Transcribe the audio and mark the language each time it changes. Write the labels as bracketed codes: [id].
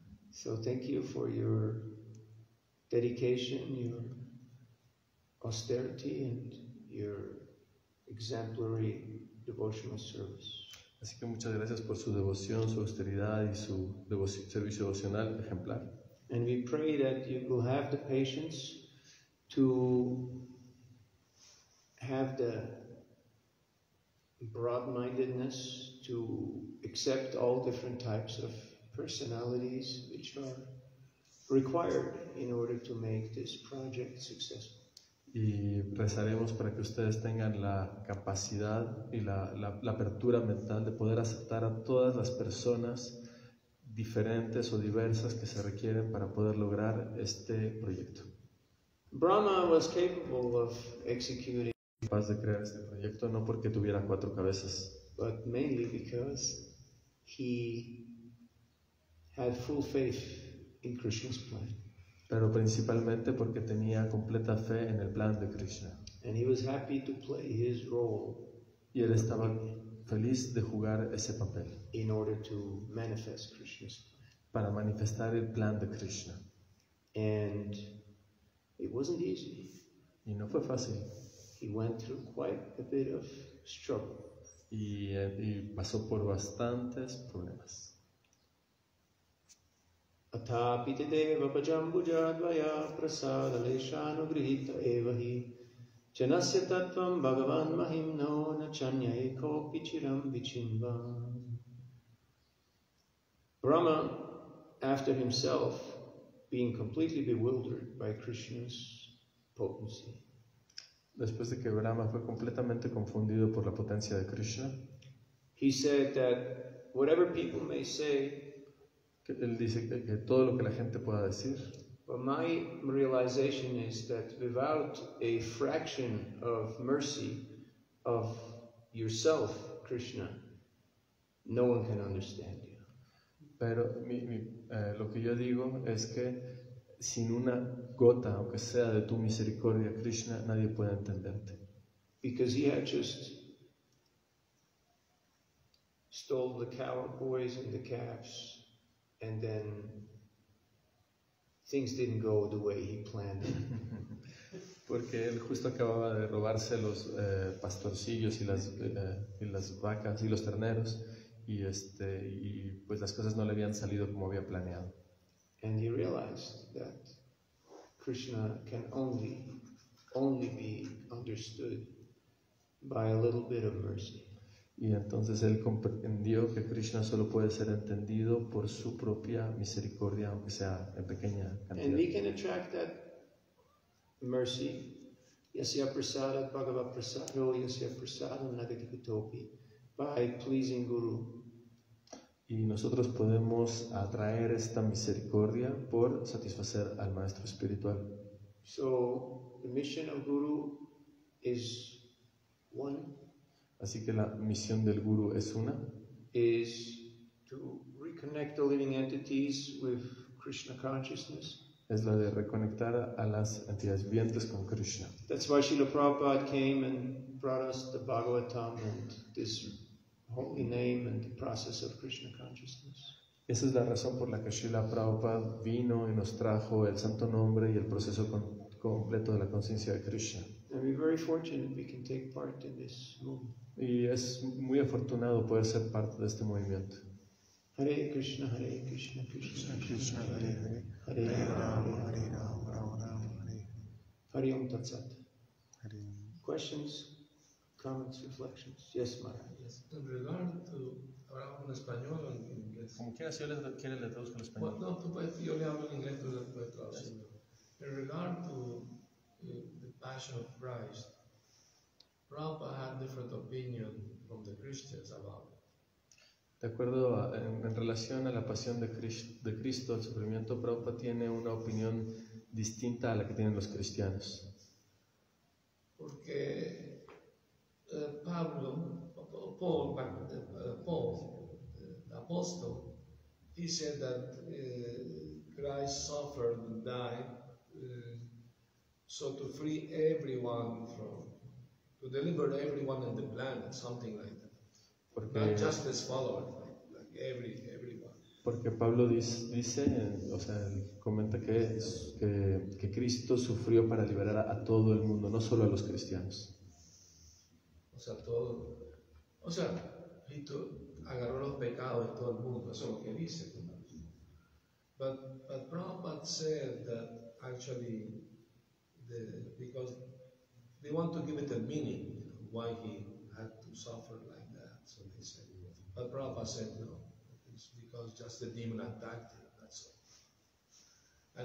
[en] So thank you for your dedication, your austerity, and your exemplary devotional service. [es] Así que muchas gracias por su devoción, su austeridad y su servicio devocional ejemplar. [en] And we pray that you will have the patience to have the broad-mindedness to accept all different types of personalities which are required in order to make this project successful. [es] Y rezaremos para que ustedes tengan la capacidad y la apertura mental de poder aceptar a todas las personas diferentes o diversas que se requieren para poder lograr este proyecto. [en] Brahma was capable of executing [es] capaz de crear este proyecto no porque tuviera cuatro cabezas, [en] but mainly because he had full faith in Krishna's plan. [es] Pero principalmente porque tenía completa fe en el plan de Krishna. [en] And he was happy to play his role. [es] Y él estaba feliz de jugar ese papel. [en] In order to manifest Krishna's plan. [es] Para manifestar el plan de Krishna. [en] And it wasn't easy. [es] Y no fue fácil. [en] He went through quite a bit of struggle. [es] Y pasó por bastantes problemas. [sa] Atapite deva pajambujadvaya prasada leshano grihita evahi chanasya tatvam bhagavan mahimno na chanyae kopi chiram vichinva. [en] Brahma, after himself being completely bewildered by Krishna's potency. [es] Después de que Brahma fue completamente confundido por la potencia de Krishna, [en] he said that whatever people may say, [es] él dice que todo lo que la gente pueda decir, [en] but my realization is that without a fraction of mercy of yourself, Krishna, no one can understand you. [es] Pero lo que yo digo es que sin una gota, aunque sea de tu misericordia, Krishna, nadie puede entenderte. [en] Because he had just stole the cowboys and the calves. And then things didn't go the way he planned. [es] Porque él justo acababa de robarse los pastorcillos y las vacas y los terneros y pues las cosas no le habían salido como había planeado. [en] And he realized that Krishna can only be understood by a little bit of mercy. [es] Y entonces él comprendió que Krishna solo puede ser entendido por su propia misericordia, aunque sea en pequeña cantidad. [en] And we can attract that mercy, [sa] yasya prasada bhagava prasada yasya prasada nadikitopi, [en] by pleasing guru. [es] Y nosotros podemos atraer esta misericordia por satisfacer al maestro espiritual. [en] So the mission of guru is one. [es] Así que la misión del guru es una, [en] is to reconnect the living entities with Krishna consciousness. [es] Es la de reconectar a las entidades vivientes con Krishna. [en] That's why Srila Prabhupada came and brought us the Bhagavatam and this holy name and the process of Krishna consciousness. [es] Esa es la razón por la que Srila Prabhupada vino y nos trajo el santo nombre y el proceso completo de la conciencia de Krishna. [en] And we're very fortunate we can take part in this movement. [es] Y es muy afortunado poder ser parte de este movimiento. [sa] Hare Krishna, Hare Krishna, Krishna Krishna, Hare Hare, Hare Rama, Hare Rama, Rama Rama, Hare Hare. Hare Om Tat Sat. Hare. [en] Questions, comments, reflections? Yes, Maharaj. Yes. En regard to, [es] ahora hablo en español o en inglés. Como quieras, si yo les quiero le traduzco en español. No, tú puedes, yo le hablo en inglés, tú le puedes traducir. [en] En regard to the passion of Christ, Prabhupada had different opinion from the Christians about it. [es] De acuerdo a, en relación a la pasión de Cristo, el sufrimiento, Prabhupada tiene una opinión distinta a la que tienen los cristianos. Porque Paul, el apóstol, [en] he said that Christ suffered and died so to free everyone from, to deliver everyone on the planet, something like that. [es] Porque, [en] not just his followers, like everyone. [es] Porque Pablo dice, o sea, comenta que Cristo sufrió para liberar a todo el mundo, no solo a los cristianos. O sea, todo. O sea, Cristo agarró los pecados de todo el mundo, eso es lo que dice. [en] But Prabhupada said that actually, they want to give it a meaning, why he had to suffer like that. So they said, but Prabhupada said no, it's because just the demon attacked him, that's all.